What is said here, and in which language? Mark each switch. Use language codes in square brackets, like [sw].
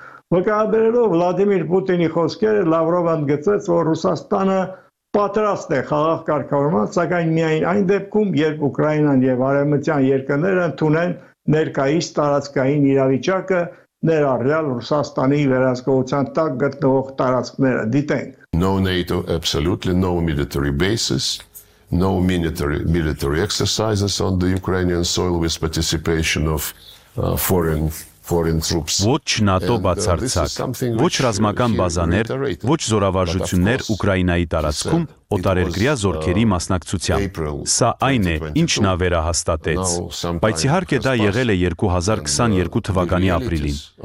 [hy] Վկայաբերելով Վլադիմիր Պուտինի խոսքերը, Լավրովը ընդգծեց, որ Ռուսաստանը պատրաստ է խաղաղ կարգավորման, սակայն միայն այն դեպքում, երբ Ուկրաինան և արևմտյան երկրները ընդունեն ներկայիս տարածքային իրավիճակը ներառյալ Ռուսաստանի վերահսկողության տակ գտնվող տարածքները։ Դիտենք։ [en] No NATO, absolutely no military bases, no military exercises on the Ukrainian soil with participation of foreign troops. [hy] Ոչ ՆԱՏՕ բացարձակ, ոչ ռազմական բազաներ, ոչ զորավարժություններ Ուկրաինայի տարածքում օտարերկրյա զորքերի մասնակցությամբ։ Սա այն է, ինչ նա վերահաստատեց, բայց իհարկե դա եղել է 2022 թվականի ապրիլին,